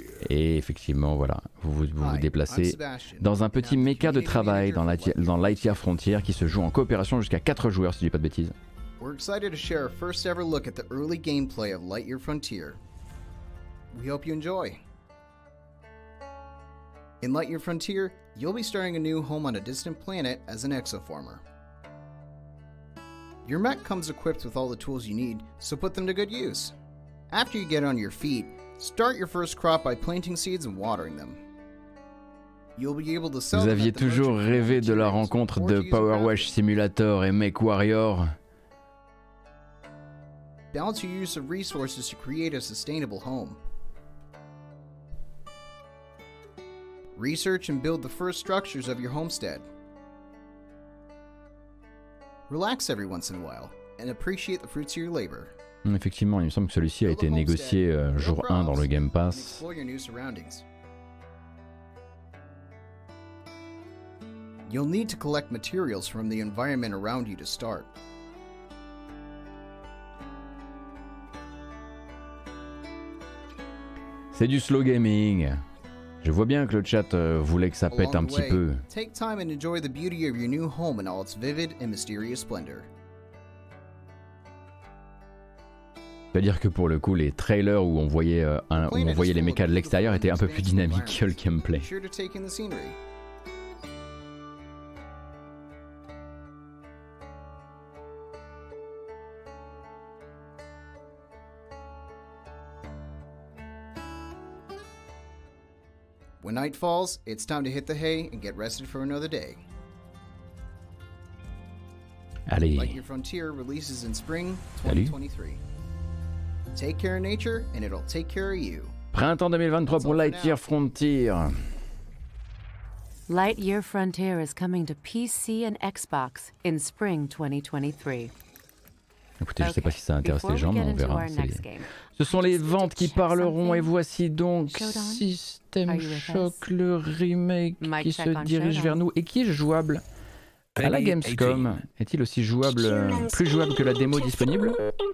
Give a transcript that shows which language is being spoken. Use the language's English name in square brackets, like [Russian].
[French] Et effectivement, voilà, vous déplacez dans un petit méca de travail dans Lightyear Frontier qui se joue en coopération jusqu'à 4 joueurs, si je dis pas de bêtises. [English] We're excited to share our first ever look at the early gameplay of Lightyear Frontier. We hope you enjoy. In Lightyear Frontier, you'll be starting a new home on a distant planet as an exoformer. Your mech comes equipped with all the tools you need, so put them to good use. After you get on your feet, start your first crop by planting seeds and watering them. [French] Vous aviez toujours rêvé de la rencontre de Power Wash Simulator et Mech Warrior. [English] Balance your use of resources to create a sustainable home. Research and build the first structures of your homestead. Relax every once in a while and appreciate the fruits of your labor. [French] Effectivement, il me semble que celui-ci a été négocié jour 1 dans le Game Pass. [English] Explore your new surroundings. You'll need to collect materials from the environment around you to start. [French] C'est du slow gaming. Je vois bien que le chat voulait que ça pète un petit peu. [English] Take time and enjoy the beauty of your new home in all its vivid and mysterious splendor. [French] C'est-à-dire que pour le coup, les trailers où on voyait les mechas de l'extérieur étaient un peu plus dynamiques que le gameplay. [English] Sure to take in the scenery. When night falls, it's time to hit the hay and get rested for another day. [French] Allez. [English] Lightyear Frontier releases in spring 2023. [French] Allez. [English] Take care of nature and it'll take care of you. [French] Printemps 2023 pour Lightyear Frontier. [English] Lightyear Frontier is coming to PC and Xbox in spring 2023. [French] Écoutez, je sais pas si ça intéresse les gens, mais on verra. Ce sont les ventes qui parleront et voici donc System Shock, le remake qui se dirige vers nous et qui est jouable à la Gamescom. Est-il aussi jouable, plus jouable que la démo disponible ?